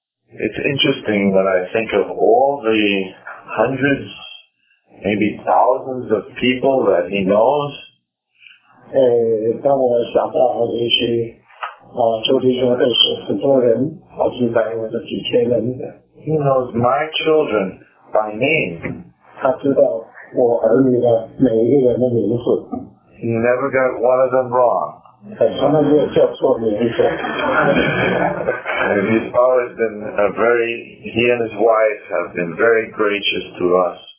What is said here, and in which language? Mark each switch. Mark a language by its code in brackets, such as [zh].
[en] It's interesting when I think of all the hundreds, maybe thousands of people that he knows. [zh] 当我想到那些周弟兄认识很多人，好几百或者几千人。 [en] He knows my children by name. [zh] 他知道我儿女的每一个人的名字。 [en] He never got one of them wrong. [zh] 从来没有叫错名字。 [en] And he's always been a very, he and his wife have been very gracious to us.